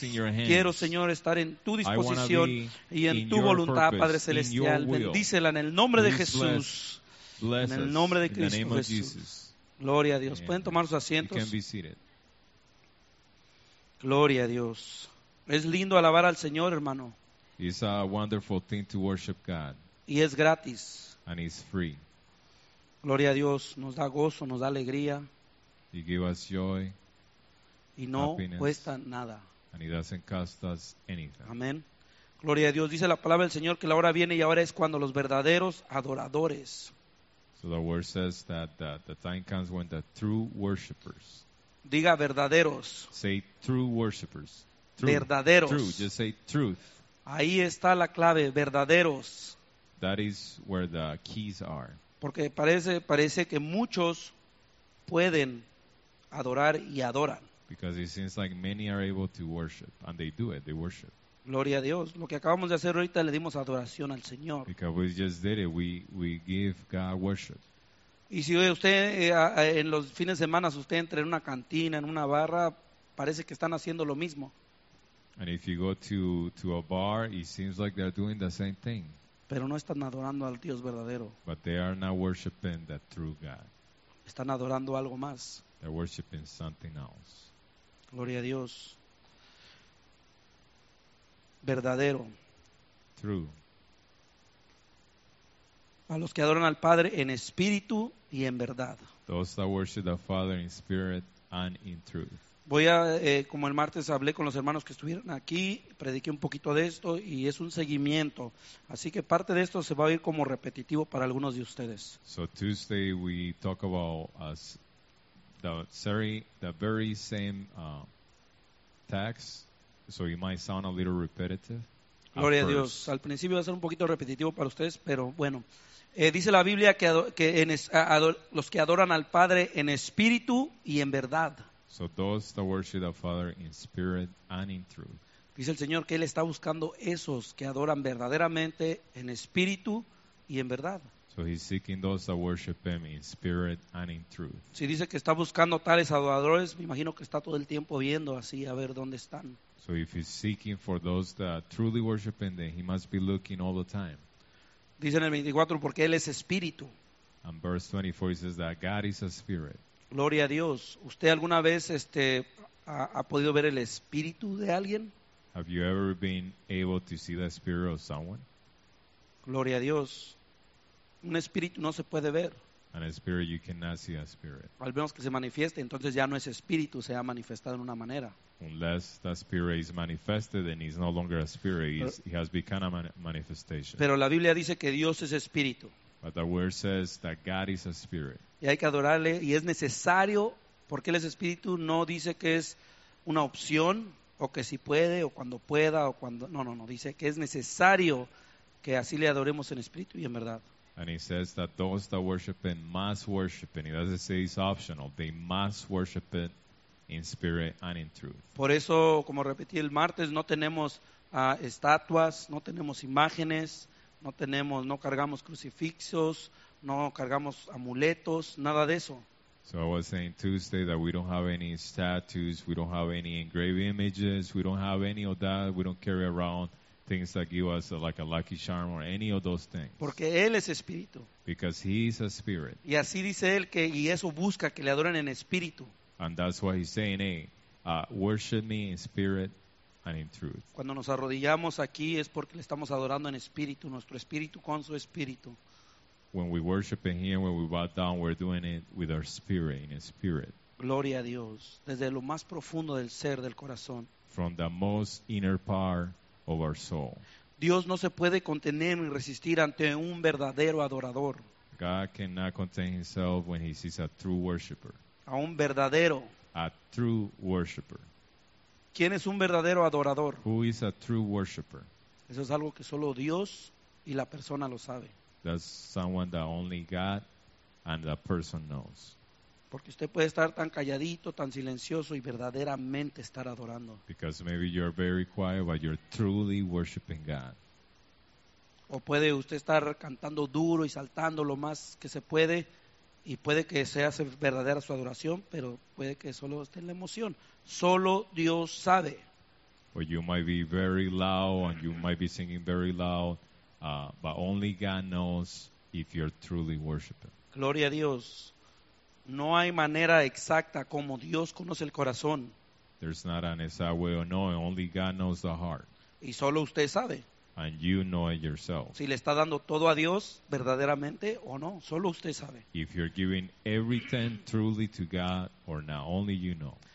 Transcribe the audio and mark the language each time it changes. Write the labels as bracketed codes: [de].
[es] Quiero, Señor, estar en tu disposición y en tu voluntad, Padre Celestial. Bendícela en el nombre de Jesús. En el nombre de Cristo Jesús. Gloria a Dios. ¿Pueden tomar sus asientos? Gloria a Dios. Es lindo alabar al Señor, hermano. [en] It's a wonderful thing to worship God. [es] Y es gratis. [en] And it's free. [es] Gloria a Dios, nos da gozo, nos da alegría. [en] He gives us joy. [es] Y no [en] happiness, [es] cuesta nada. [en] And it doesn't cost us anything. [es] Amén. Gloria a Dios, dice la palabra del Señor que la hora viene y ahora es cuando los verdaderos adoradores. [en] So the word says that the time comes when the true worshipers. [es] Diga verdaderos. [en] Say true worshipers. True, [es] verdaderos. [en] True, just say truth. [es] Ahí está la clave, verdaderos. [en] That is where the keys are. [es] Porque parece que muchos pueden adorar y adoran. [en] Because it seems like many are able to worship and they do it, they worship. [es] Gloria a Dios. Lo que acabamos de hacer ahorita le dimos adoración al Señor. [en] Because we just did it, we give God worship. [es] Y si usted en los fines de semana usted entra en una cantina, en una barra, parece que están haciendo lo mismo. [en] And if you go to a bar, it seems like they're doing the same thing. [es] Pero no están adorando al Dios verdadero. [en] But they are not worshiping the true God. [es] Están adorando algo más. [en] They're worshiping something else. [es] Gloria a Dios. Verdadero. [en] True. [es] A los que adoran al Padre en espíritu y en verdad. [en] Those that worship the Father in spirit and in truth. [es] Voy a, como el martes hablé con los hermanos que estuvieron aquí, prediqué un poquito de esto y es un seguimiento. Así que parte de esto se va a ir como repetitivo para algunos de ustedes. [en] So Tuesday we talk about the very same text, so it might sound a little repetitive. [es] Gloria a Dios. Al principio va a ser un poquito repetitivo para ustedes, pero bueno. Dice la Biblia que los que adoran al Padre en espíritu y en verdad. [en] So those that worship the Father in spirit and in truth. [es] Dice el Señor que Él está buscando esos que adoran verdaderamente en espíritu y en verdad. [en] So He's seeking those that worship Him in spirit and in truth. [es] Si dice que está buscando tales adoradores, me imagino que está todo el tiempo viendo así a ver dónde están. [en] So if He's seeking for those that truly worship Him, then He must be looking all the time. [es] Dice en el 24, porque Él es espíritu. [en] And verse 24 says that God is a spirit. [es] Gloria a Dios. ¿Usted alguna vez ha podido ver el espíritu de alguien? [en] Have you ever been able to see the spirit of someone? [es] Gloria a Dios. Un espíritu no se puede ver. [en] An spirit, you cannot see a spirit. [es] Al menos que se manifieste, entonces ya no es espíritu, se ha manifestado en una manera. [en] Unless that spirit is manifested, then he's no longer a spirit. He has become a manifestation. [es] Pero la Biblia dice que Dios es espíritu. [en] But the word says that God is a spirit. [es] Y hay que adorarle y es necesario porque él es espíritu. No dice que es una opción o que si puede o cuando pueda o cuando no. Dice que es necesario que así le adoremos en espíritu y en verdad. [en] And he says that those that worship him must worship him. He doesn't say it's optional. They must worship him in spirit and in truth. [es] Por eso, como repetí el martes, no tenemos estatuas, no tenemos imágenes, no cargamos crucifixos, no cargamos amuletos, nada de eso. [en] So I was saying Tuesday that we don't have any statues, we don't have any engraved images, we don't have any of that, we don't carry around things that give us like a lucky charm or any of those things. [es] Porque él es espíritu. [en] Because he is a spirit. [es] Y así dice él que y eso busca que le adoren en espíritu. [en] And that's why he's saying, hey, worship me in spirit and in truth. [es] Cuando nos arrodillamos aquí es porque le estamos adorando en espíritu, nuestro espíritu con su espíritu. [en] When we worship in here, when we bow down, we're doing it with our spirit, in spirit. [es] Gloria a Dios, desde lo más profundo del ser, del corazón. [en] From the most inner part of our soul. [es] Dios no se puede contener ni resistir ante un verdadero adorador. [en] God cannot contain himself when he sees a true worshiper. [es] A un verdadero. [en] A true worshiper. [es] ¿Quién es un verdadero adorador? [en] Who is a true worshiper? [es] Eso es algo que solo Dios y la persona lo sabe. [en] That's someone that only God and the person knows. [es] Porque usted puede estar tan calladito, tan silencioso y verdaderamente estar adorando. [en] Because maybe you're very quiet, but you're truly worshiping God. [es] O puede usted estar cantando duro y saltando lo más que se puede. Y puede que sea verdadera su adoración, pero puede que solo esté en la emoción. Solo Dios sabe. [en] Or you might be very loud and you might be singing very loud, but only God knows if you're truly worshiping. [es] Gloria a Dios. No hay manera exacta como Dios conoce el corazón. [en] There's not an exact way of knowing. Only God knows the heart. [es] Y solo usted sabe. [en] And you know it yourself. [es] Si le está dando todo a Dios verdaderamente o no, solo usted sabe. [en] If you're giving everything truly to God or not, only you know.